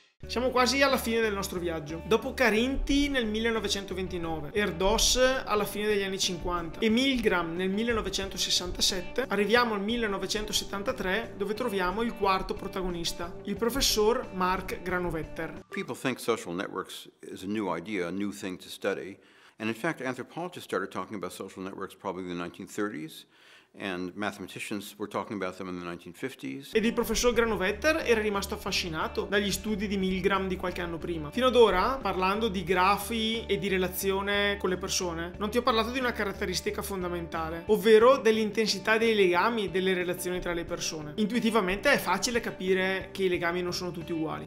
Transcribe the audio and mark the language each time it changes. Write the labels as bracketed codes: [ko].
[it] Siamo quasi alla fine del nostro viaggio. Dopo Carinthi nel 1929, Erdos alla fine degli anni 50 e Milgram nel 1967, arriviamo al 1973 dove troviamo il quarto protagonista, il professor Mark Granovetter. [en] People think social networks is a new idea, a new thing to study. And in fact, anthropologists started talking about social networks probably in the 1930s. And mathematicians were talking about them in the 1950s. [it] Ed il professor Granovetter era rimasto affascinato dagli studi di Milgram di qualche anno prima. Fino ad ora, parlando di grafi e di relazione con le persone, non ti ho parlato di una caratteristica fondamentale, ovvero dell'intensità dei legami delle relazioni tra le persone. Intuitivamente è facile capire che i legami non sono tutti uguali.